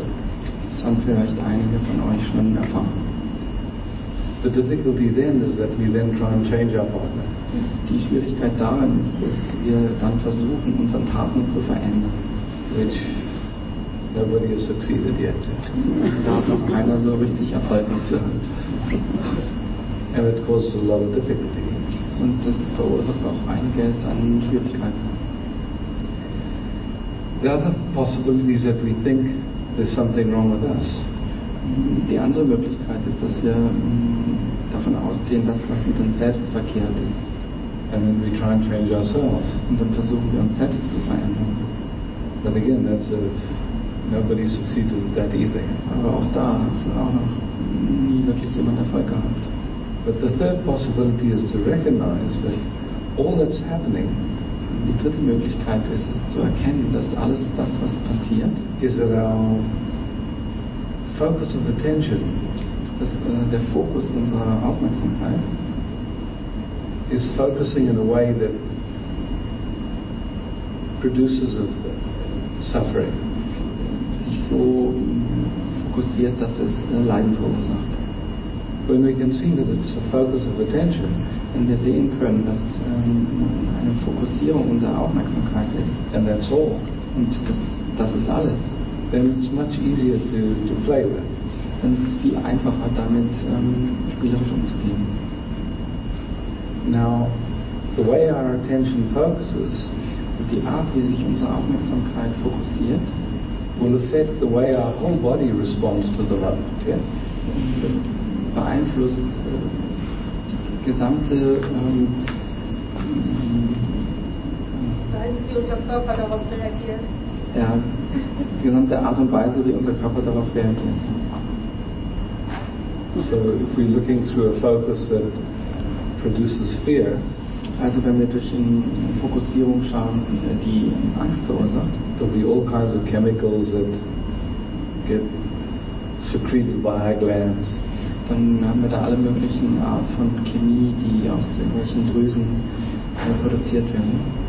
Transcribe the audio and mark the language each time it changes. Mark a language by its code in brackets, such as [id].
[de] Das haben vielleicht einige von euch schon erfahren. [en] The difficulty then is that we then try and change our partner. [de] Die Schwierigkeit darin ist, dass wir dann versuchen, unseren Partner zu verändern. [en] Which Nobody has succeeded yet. [de] Da hat noch keiner so richtig Erfolg gehabt. [en] And it causes a lot of difficulty. [de] Und das verursacht auch einiges an Schwierigkeiten. [en] The other possibility is that we think there's something wrong with us. [de] Die andere Möglichkeit ist, dass wir davon ausgehen, dass was mit uns selbst verkehrt ist. [en] And then we try and change ourselves. [de] Und dann versuchen wir uns selbst zu verändern. [en] But again, that's nobody succeeded with that either. [de] Aber auch da hat auch noch nie wirklich jemand Erfolg gehabt. [en] But the third possibility is to recognize that all that's happening. [de] Die dritte Möglichkeit ist zu erkennen, dass alles das, was passiert, [en] is that our focus of attention, [de] ist, dass der Fokus unserer Aufmerksamkeit, [en] is focusing in a way that produces a suffering. [de] Sich so fokussiert, dass es Leiden verursacht. [en] When we can see that it's a focus of attention, [de] wenn wir sehen können, dass eine Fokussierung unserer Aufmerksamkeit ist, [en] and that's all, [de] und das ist alles, [en] then it's much easier to play with. [de] Dann ist es viel einfacher, damit spielerisch umzugehen. [en] Now, the way our attention focuses, [de] die Art, wie sich unsere Aufmerksamkeit fokussiert, [en] will affect the way our whole body responds to the light. Yeah? [de] Beeinflusst die gesamte Weise, wie unser Körper darauf reagiert. Ja, die gesamte Art und Weise, wie unser Körper darauf reagiert. [en] So, if we're looking through a focus that produces fear, [de] also wenn wir durch eine Fokussierung schauen, die Angst verursacht, [en] there'll be all kinds of chemicals that get secreted by our glands. [de] Dann haben wir da alle möglichen Art von Chemie, die aus irgendwelchen Drüsen produziert werden.